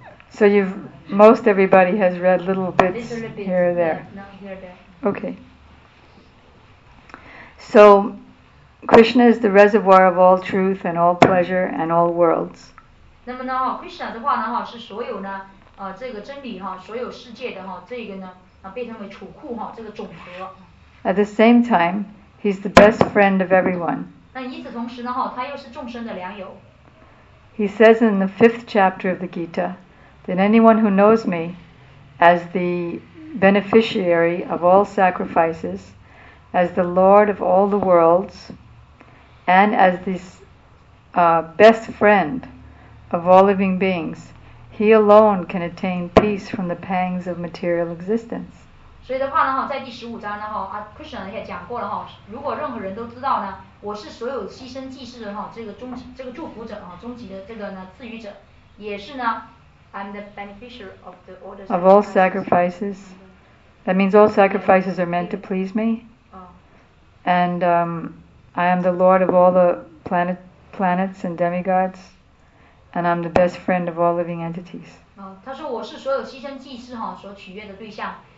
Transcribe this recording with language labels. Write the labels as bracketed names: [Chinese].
[English] So most everybody has read little bits here or there. Okay. So. Krishna is the reservoir of all truth and all pleasure and all worlds. [Chinese] 那么呢哈 ，Krishna 的话呢哈，是所有呢这个真理哈，所有世界的哈，这个呢被称为储库哈，这个总和。 [English] At the same time, he's the best friend of everyone. [Chinese] 但与此同时呢哈，他又是众生的良友。 [English] He says in the fifth chapter of the Gita that anyone who knows me as the beneficiary of all sacrifices, as the Lord of all the worlds, and as this best friend of all living beings, he alone can attain peace from the pangs of material existence. [Chinese] 所以的话呢，在第十五章呢，哈，Krishna也讲过了哈。如果任何人都知道呢，我是所有牺牲祭祀的哈，这个终极这个祝福者啊，终极的这个呢赐予者，也是呢， [English] I'm the beneficiary of the all sacrifices. Of all sacrifices, that means all sacrifices are meant to please me. And I am the Lord of all the planets and demigods, and I'm the best friend of all living entities. [Chinese] 他说我是所有牺牲祭祀哈所取悦的对象。